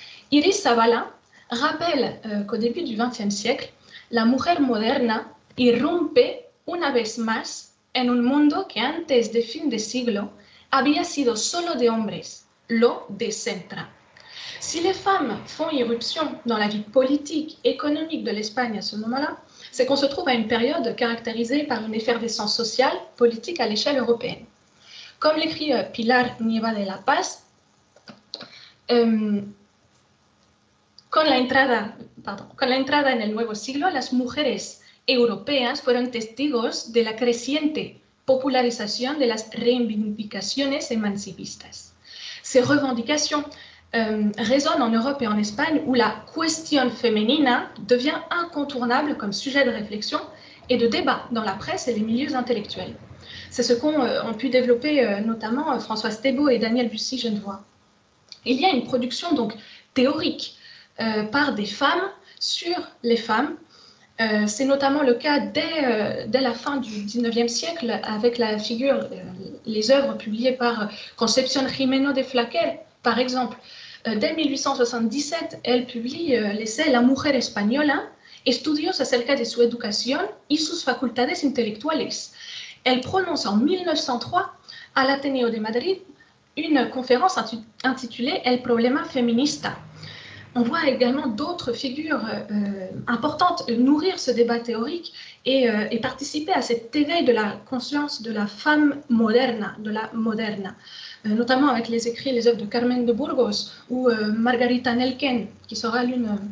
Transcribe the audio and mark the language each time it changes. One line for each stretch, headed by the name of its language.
French: Iris Zabala rappelle qu'au début du XXe siècle,
Spanish: la mujer moderna irrumpe una vez más en un mundo que antes de fin de siglo había sido solo de hombres, lo décentra.
French: Si les femmes font irruption dans la vie politique, économique de l'Espagne à ce moment-là, c'est qu'on se trouve à une période caractérisée par une effervescence sociale, politique à l'échelle européenne. Comme l'écrit
Spanish: Pilar Nieva de la Paz, con la entrada en el nuevo siglo, las mujeres europeas fueron testigos de la creciente popularización de las reivindicaciones emancipistas.
French: Ces revendications résonnent en Europe et en Espagne où la question féminine devient incontournable comme sujet de réflexion et de débat dans la presse et les milieux intellectuels. C'est ce qu'ont pu développer notamment Françoise Thébault et Daniel Bussy-Genevoix. Il y a une production donc théorique par des femmes sur les femmes. C'est notamment le cas dès la fin du XIXe siècle avec la figure, les œuvres publiées par Concepción Jimeno de Flaquer, par exemple. Dès 1877, elle publie l'essai La mujer española, estudios acerca de su educación y sus facultades intelectuales. Elle prononce en 1903 à l'Ateneo de Madrid une conférence intitulée El problema feminista. On voit également d'autres figures importantes nourrir ce débat théorique et participer à cet éveil de la conscience de la femme moderne, de la moderna, notamment avec les écrits, les œuvres de Carmen de Burgos ou Margarita Nelken, qui sera l'une.